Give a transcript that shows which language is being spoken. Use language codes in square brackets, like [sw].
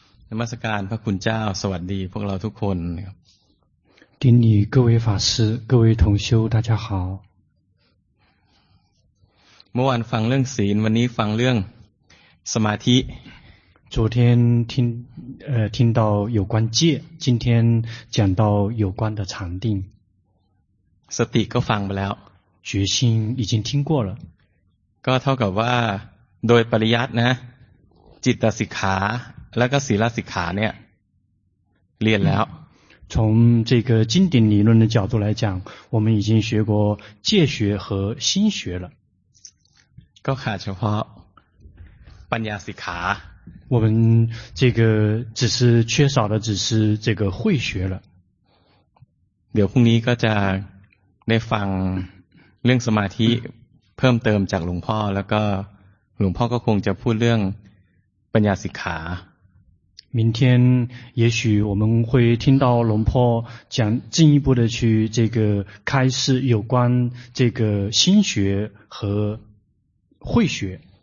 [th] นมัสการพระคุณเจ้าสวัสดีพวกเราทุกคนครับ [zh] 顶礼各位法师各位同修大家好 [th] เมื่อวานฟังเรื่องศีลวันนี้ฟังเรื่องสมาธิ [zh] 昨天听听到有关戒今天讲到有关的禅定 [th] สติก็ฟังไปแล้ว [zh] 决心已经听过了 [th] ก็เท่ากับว่าโดยปริยัตินะจิตสิกขาแล้วก็ศีลสิกขาเนี่ยเรียนแล้ว [zh] 从这个经典理论的角度来讲我们已经学过戒学和心学了 [th] ก็ขาดเฉพาะปัญญาสิกขา [zh] 我们这个只是缺少的只是这个慧学了 [th] เดี๋ยวพรุ่งนี้ก็จะได้ฟังเรื่องสมาธิเพิ่มเติมจากหลวงพ่อแล้วก็หลวงพ่อก็คงจะพูดเรื่องปัญญาสิกขา [zh] 明天也许我们会听到龙婆讲进一步的去这个开示有关这个心学和慧学